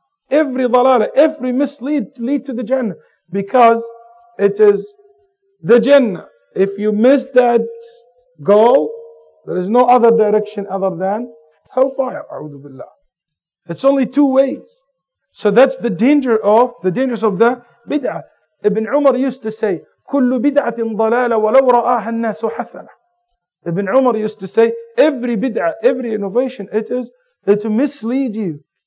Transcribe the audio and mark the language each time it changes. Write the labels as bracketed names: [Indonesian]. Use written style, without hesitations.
[English] Every dalala, every mislead lead to the Jannah. Because it is the Jannah. If you miss that goal, there is no other direction other than hellfire, a'udhu billah. It's only two ways. So that's the dangers of the bid'ah. Ibn Umar used to say, [Arabic] كُلُّ بِدْعَةٍ ضَلَالَ وَلَوْ رَآهَا النَّاسُ حَسَنَةً. [English] Ibn Umar used to say, every bid'ah, every innovation, it misleads you.